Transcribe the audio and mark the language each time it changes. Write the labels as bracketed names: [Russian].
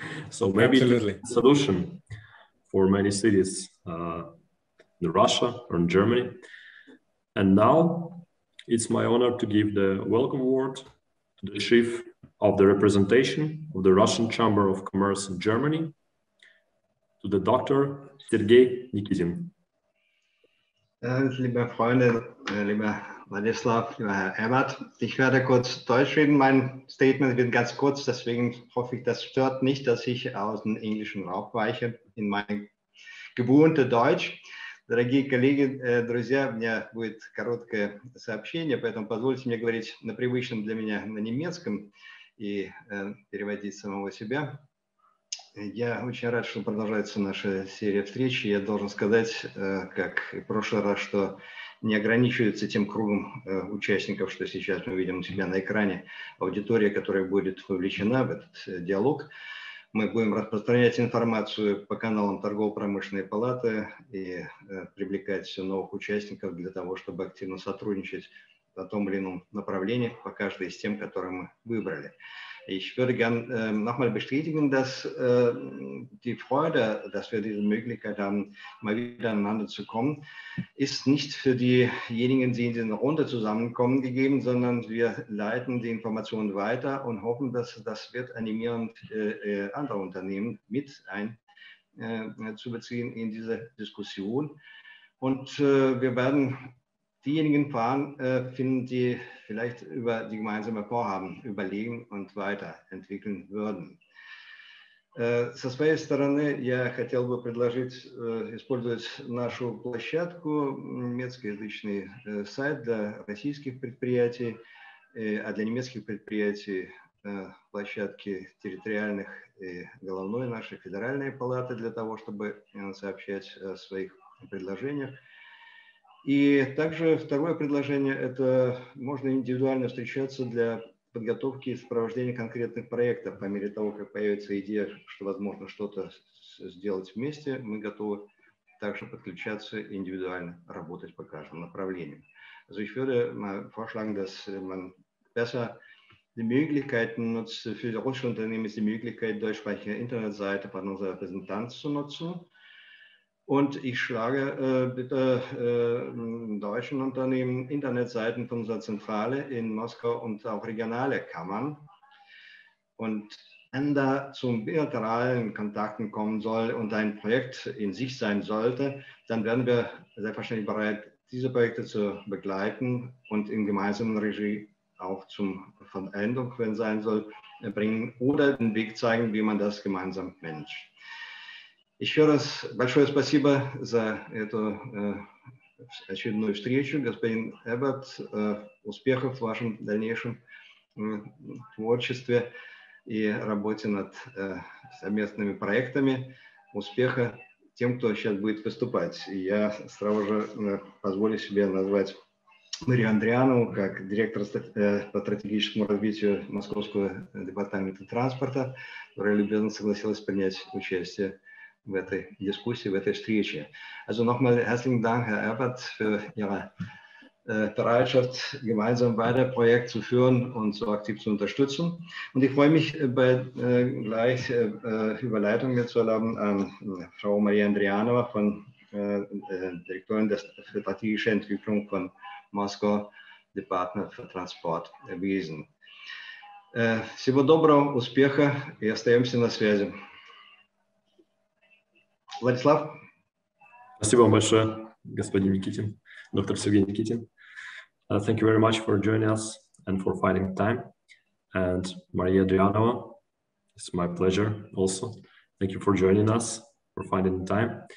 [English] So maybe absolutely a solution for many cities in Russia or in Germany. And now it's my honor to give the welcome word to the chief of the representation of the Russian Chamber of Commerce in Germany, to the Dr. Sergei Nikitin. [German] Liebe Freunde, lieber Vladislav, lieber Herr Ebert, ich werde kurz Deutsch reden. Mein Statement wird ganz kurz, deswegen hoffe ich, das stört nicht, dass ich aus dem Englischen aufweiche in mein gewohnte Deutsch. [Russian] Дорогие коллеги, друзья, у меня будет короткое сообщение, поэтому позвольте мне говорить на привычном для меня на немецком и переводить самого себя. Я очень рад, что продолжается наша серия встреч. Я должен сказать, как и в прошлый раз, что не ограничивается тем кругом участников, что сейчас мы видим у себя на экране, аудитория, которая будет вовлечена в этот диалог. Мы будем распространять информацию по каналам торгово-промышленной палаты и привлекать все новых участников для того, чтобы активно сотрудничать о том или ином направлении, по каждой из тем, которые мы выбрали. [German] Ich würde gerne nochmal bestätigen, dass die Freude, dass wir diese Möglichkeit haben, mal wieder aneinander zu kommen, ist nicht für diejenigen, die in dieser Runde zusammenkommen, gegeben, sondern wir leiten die Informationen weiter und hoffen, dass das wird animierend andere Unternehmen mit einzubeziehen in diese Diskussion. Und wir werden diejenigen fahren, finden, die vielleicht über die gemeinsamen Vorhaben überlegen und weiterentwickeln würden. [Russian] Со своей стороны, я хотел бы предложить использовать нашу площадку, немецкоязычный сайт для российских предприятий, а для немецких предприятий площадки территориальных и головной нашей федеральной палаты для того, чтобы сообщать о своих предложениях. И также второе предложение – это можно индивидуально встречаться для подготовки и сопровождения конкретных проектов. По мере того, как появится идея, что возможно что-то сделать вместе, мы готовы также подключаться индивидуально, работать по каждому направлению. [German] Also ich würde mal vorschlagen, dass man besser die Möglichkeiten nutzt, für die russische Unternehmen ist die Möglichkeit, deutschsprachige Internetseite von unserer Repräsentanz zu nutzen. Und ich schlage bitte deutschen Unternehmen Internetseiten von unserer Zentrale in Moskau und auch regionale Kammern. Und wenn da zum bilateralen Kontakten kommen soll und ein Projekt in sich sein sollte, dann werden wir selbstverständlich bereit, diese Projekte zu begleiten und in gemeinsamen Regie auch zum Vollendung, wenn es sein soll, bringen oder den Weg zeigen, wie man das gemeinsam managt. Ich höre es, [Russian] большое спасибо за эту очередную встречу, господин Эбботт, успехов в вашем дальнейшем творчестве и работе над совместными проектами, успеха тем, кто сейчас будет выступать. И я сразу же позволю себе назвать Марию Андрианову как директор по стратегическому развитию Московского департамента транспорта, которая любезно согласилась принять участие в этой дискуссии, в этой встрече. [German] Also nochmal herzlichen Dank, Herr Эбботт, für Ihre Bereitschaft, gemeinsam weiter Projekte zu führen und so aktiv zu unterstützen. Und ich freue mich, bei gleich Überleitung mir zu erlauben an Frau Maria Andrianova, von Direktorin der strategischen Entwicklung von Moskau Department for Transport Wesen. [Russian] Всего доброго, успеха и остаемся на связи. Владислав. Спасибо вам большое, господин Никитин, доктор Сергей Никитин. [English] Thank you very much for joining us and for finding time. And Maria Andrianova, it's my pleasure also. Thank you for joining us, for finding time.